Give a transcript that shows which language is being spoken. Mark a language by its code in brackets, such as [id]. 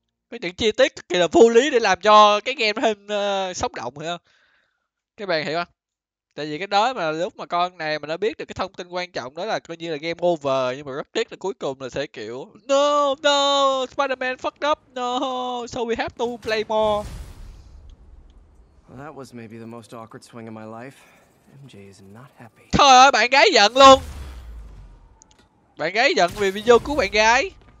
[vi] Có những chi tiết cực kỳ là vô lý để làm cho cái game thêm sống động hay không? Các bạn hiểu không? Tại vì cái đó mà lúc mà con này mà nó biết được cái thông tin quan trọng đó là coi như là game over, nhưng mà rất tiếc là cuối cùng là sẽ kiểu [en] no no Spider-Man fucked up no so we have to play more. Well, that was maybe the most awkward swing of my life. MJ is not happy. [vi] Thôi ơi, bạn gái giận luôn. Bạn gái giận vì video của bạn gái.